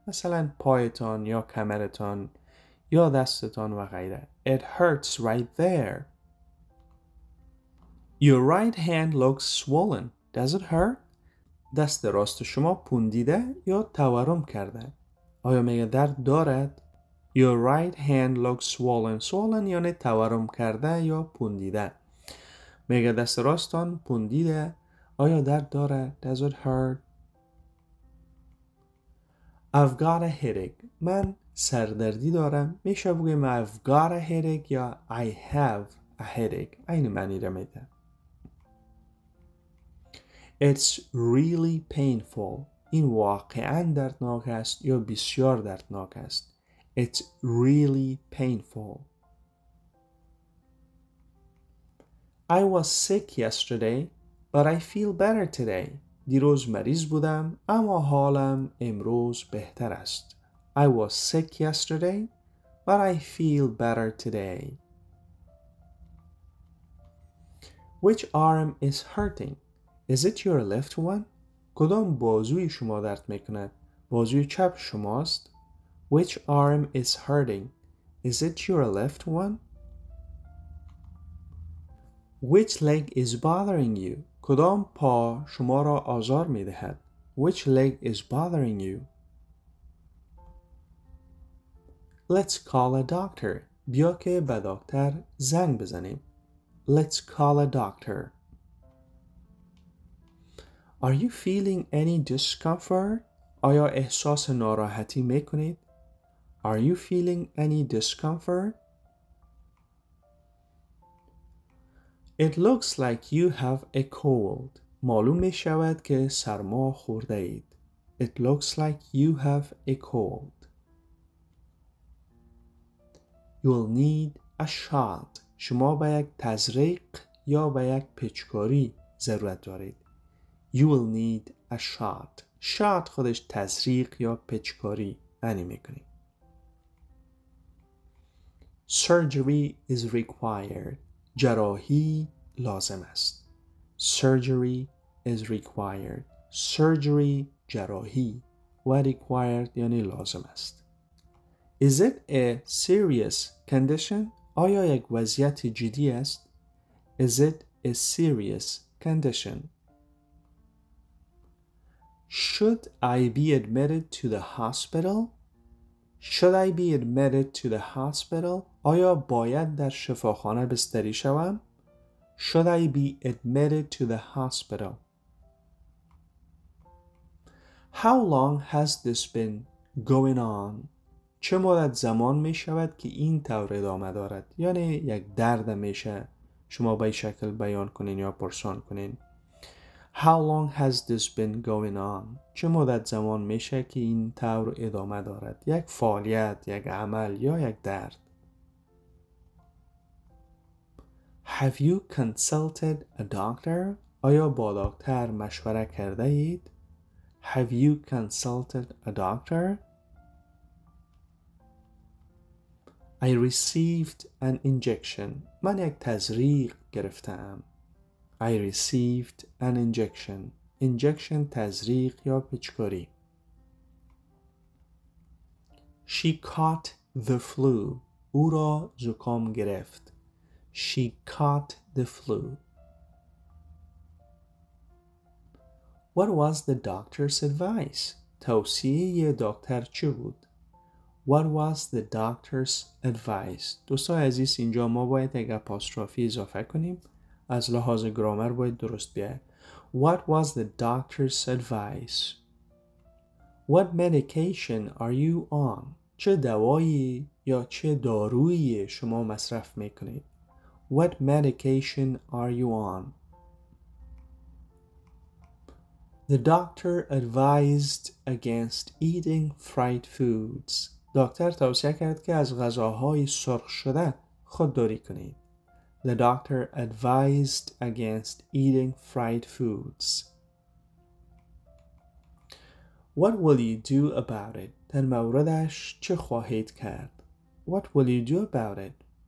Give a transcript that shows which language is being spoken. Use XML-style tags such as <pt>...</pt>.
<fa>مثلا پایتان یا کمرتان یا دستتان و غیره.</fa> <en>It hurts right there. Your right hand looks swollen. Does it hurt?</en> <fa>دست راست شما پوندیده یا تورم کرده. آیا میگه درد دارد؟</fa> <en>Your right hand looks swollen.</en> <fa>Swollen یعنی تورم کرده یا پوندیده. میگه دست راستان پوندیده. آیا درد دارد؟</fa> <en>Does it hurt? I've got a headache.</en> <fa>من سردردی دارم. میشه بگیم</fa> <en>I've got a headache یا I have a headache.</en> <fa>این معنی را میده.</fa> <en>It's really painful.</en> <fa>این واقعا دردناک است یا بسیار دردناک است.</fa> <en>It's really painful. I was sick yesterday. But I feel better today.</en> <fa>دیروز مریض بودم اما حالم امروز بهتر است.</fa> <en>I was sick yesterday, but I feel better today. Which arm is hurting? Is it your left one?</en> <fa>کدام بازوی شما درد میکند؟ بازوی چپ شماست؟</fa> <en>Which arm is hurting? Is it your left one? Which leg is bothering you?</en> <fa>کدام پا شما را آزار می دهد؟</fa> <en>Which leg is bothering you? Let's call a doctor.</en> <fa>بیا که به دکتر زنگ بزنیم.</fa> <en>Let's call a doctor. Are you feeling any discomfort?</en> <fa>آیا احساس ناراحتی می کنید؟</fa> <en>Are you feeling any discomfort? It looks like you have a cold.</en> <fa>معلوم می شود که سرما خورده اید.</fa> <en>It looks like you have a cold. You'll need a shot.</en> <fa>شما به یک تزریق یا به یک پیچکاری ضرورت دارید.</fa> <en>You will need a shot.</en> <fa>Shot خودش تزریق یا پیچکاری معنی می کنید.</fa> <en>Surgery is required.</en> <fa>جراحی لازم است.</fa> <en>Surgery is required.</en> <fa>Surgery جراحی و required یعنی لازم است.</fa> <en>Is it a serious condition?</en> <fa>آیا یک وضعیت جدی است؟</fa> <en>Is it a serious condition? Should I be admitted to the hospital? Should I be admitted to the hospital?</en> <fa>آیا باید در شفاخانه بستری شوم؟</fa> <en>Should I be admitted to the hospital? How long has this been going on?</en> <fa>چه مدت زمان می شود که این طور ادامه دارد؟ یعنی یک درد می شه شما به شکل بیان کنین یا پرسان کنین.</fa> <en>How long has this been going on?</en> <fa>چه مدت زمان می شه که این طور ادامه دارد؟ یک فعالیت، یک عمل یا یک درد؟</fa> <en>Have you consulted a doctor?</en> <fa>آیا با دکتر مشوره کرده اید؟</fa> <en>Have you consulted a doctor? I received an injection.</en> <fa>من یک تزریق گرفتم.</fa> <en>I received an injection.</en> <fa>Injection تزریق یا پیچکاری.</fa> <en>She caught the flu.</en> <fa>او را زکام گرفت.</fa> <en>She caught the flu. What was the doctor's advice?</en> <fa>توصیه دکتر چی بود؟</fa> <en>What was the doctor's advice?</en> <fa>دوستان عزیز اینجا ما باید یک اپاسترافی اضافه کنیم. از لحاظ گرامر باید درست بیاید.</fa> <en>What was the doctor's advice? What medication are you on?</en> <fa>چه دوایی یا چه دارویی شما مصرف میکنید؟</fa> <en>What medication are you on? The doctor advised against eating fried foods.</en> <fa>دکتر توصیه کرد که از غذاهای سرخ شده خودداری کنید.</fa> <en>The doctor advised against eating fried foods. What will you do about it?</en> <fa>در موردش چه خواهید کرد؟</fa> <en>What will you do about it?</en>